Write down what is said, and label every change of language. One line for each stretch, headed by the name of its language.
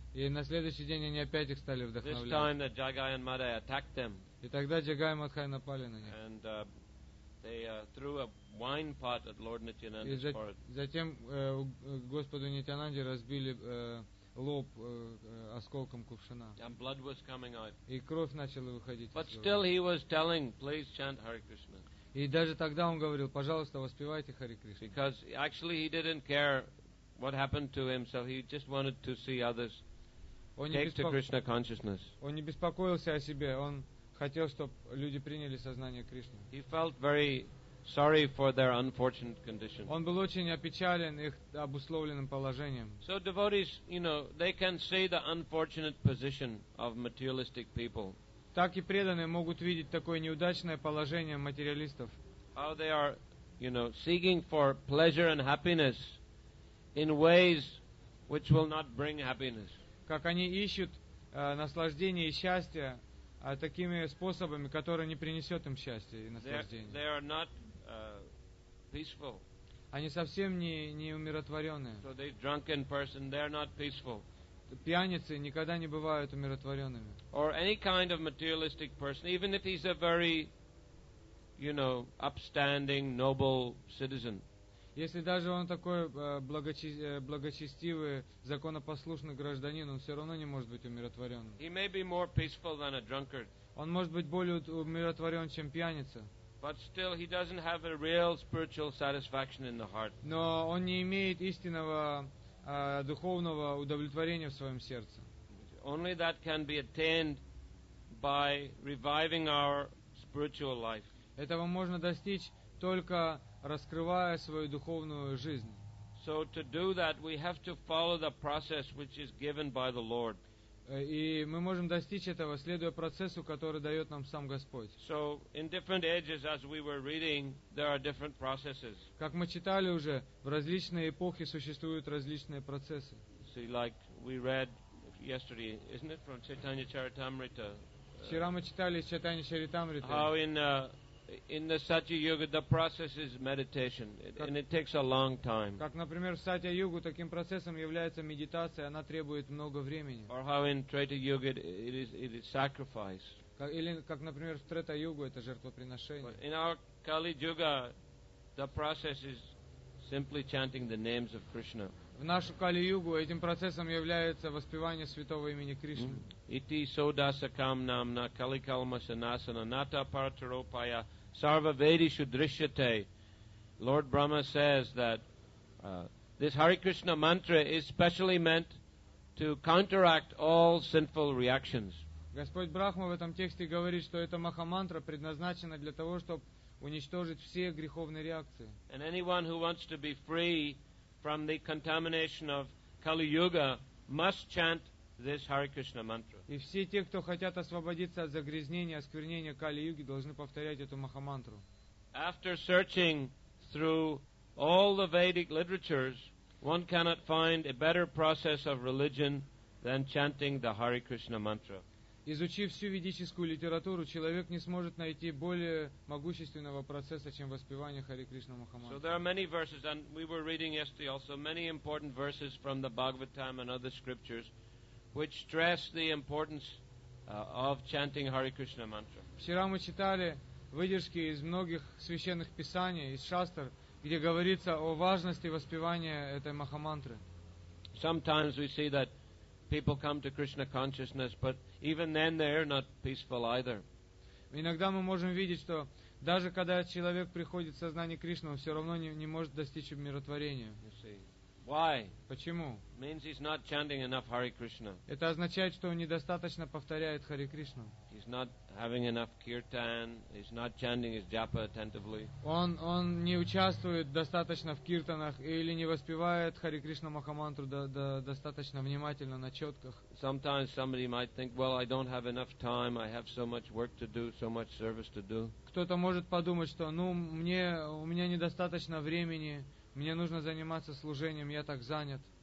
Russian: И на следующий день они опять их стали вдохновлять.
English: This time the Jagai and Madai attacked them.
Russian: И тогда Джагай и Мадхай напали на них.
English: And they threw a wine pot at Lord Nityananda's forehead.
Russian: И затем Господу Нитянанде разбили лоб осколком кувшина.
English: And blood was coming out.
Russian: И кровь начала выходить.
English: But still he was telling, please chant Hare Krishna.
Russian: И даже тогда он говорил, пожалуйста, воспевайте Харе Кришна.
English: Because actually he didn't care what happened to him, so he just wanted to see others take to Krishna consciousness.
Russian: Он не беспокоился о себе, он хотел, чтобы люди приняли сознание Кришны.
English: He felt very sorry for their unfortunate condition.
Russian: Он был очень опечален их обусловленным положением.
English: So devotees, you know, they can see the unfortunate position of materialistic people.
Russian: Так и преданные могут видеть такое неудачное положение материалистов.
English: How they are, you know, seeking for pleasure and happiness in ways which will not bring happiness.
Russian: Как они ищут наслаждение и счастье такими способами, которые не принесет им счастья и наслаждения.
English: They are not peaceful.
Russian: Они совсем не умиротворенные.
English: So they drunken person, they are not peaceful.
Russian: Пьяницы никогда не бывают умиротворенными.
English: Or any kind of materialistic person, even if he's a very, you know, upstanding, noble citizen.
Russian: Если даже он такой благочестивый, законопослушный гражданин, он все равно не может быть умиротворенным.
English: He may be more peaceful than a drunkard.
Russian: Он может быть более умиротворен, чем пьяница.
English: But still, he doesn't have a real spiritual satisfaction in the heart.
Russian: Но он не имеет истинного духовного удовлетворения в своем сердце.
English: Only that can be attained by reviving our spiritual life.
Russian: Этого можно достичь только раскрывая свою духовную жизнь.
English: So to do that, we have to follow the process which is given by the Lord.
Russian: И мы можем достичь этого, следуя процессу, который дает нам сам Господь.
English: So in different ages, as we were reading, there are different processes.
Russian: Как мы читали уже, в различные эпохи существуют различные процессы.
English: See, like we read, if yesterday, isn't it, from Chaitanya Charitamrita?
Russian: Вчера мы читали Чайтанья Чаритамриту.
English: How in the Satya Yuga the process is meditation, and it takes a long time.
Russian: Как, например, в Сатья Йогу таким процессом является медитация, она требует много времени.
English: Or how in Treta Yuga it is sacrifice.
Russian: Или, как, например, в Трета Йогу это жертвоприношение.
English: But in our Kali Yuga, the process is simply chanting the names of Krishna.
Russian: В нашу Кали-югу этим процессом является воспевание святого имени Кришны.
Sanskrit: Ити содаса камнам на каликалма санасана ната паратаропая сарва ведишу дришьяте.
English: Lord Brahma says that this Hare Krishna mantra is specially meant to counteract all sinful reactions.
Russian: Господь Брахма в этом тексте говорит, что эта Маха-мантра предназначена для того, чтобы уничтожить все греховные реакции.
English: And anyone who wants to be free from the contamination of Kali Yuga must chant this Hare Krishna mantra.
Russian: И все те, кто хотят освободиться от загрязнения, осквернения Кали Юги, должны повторять эту Махамантру.
English: After searching through all the Vedic literatures, one cannot find a better process of religion than chanting the Hare Krishna mantra.
Russian: Изучив всю ведическую литературу, человек не сможет найти более могущественного процесса, чем воспевание Хари Кришна Махамантры.
English: So there are many verses, and we were reading yesterday also many important verses from the Bhagavatam and other scriptures, which stress the importance of chanting Hari Krishna mantra.
Russian: Вчера мы читали выдержки из многих священных писаний, из шастр, где говорится о важности воспевания этой Махамантры.
English: Sometimes we see that people come to Krishna consciousness, but even then they are not peaceful either.
Russian: Иногда мы можем видеть, что даже когда человек приходит в сознание Кришны, он все равно не может достичь умиротворения.
English: Why?
Russian: Почему?
English: Means he's not chanting enough Hare Krishna.
Russian: Это означает, что он недостаточно повторяет Хари Кришну.
English: He's not having enough kirtan. He's not chanting his japa attentively.
Russian: Он не участвует достаточно в киртанах или не воспевает Хари Кришна Махамантру достаточно внимательно на четках.
English: Sometimes somebody might think, well, I don't have enough time. I have so much work to do, so much service to do.
Russian: Кто-то может подумать, что, ну, у меня недостаточно времени. Мне нужно заниматься служением, я так занят.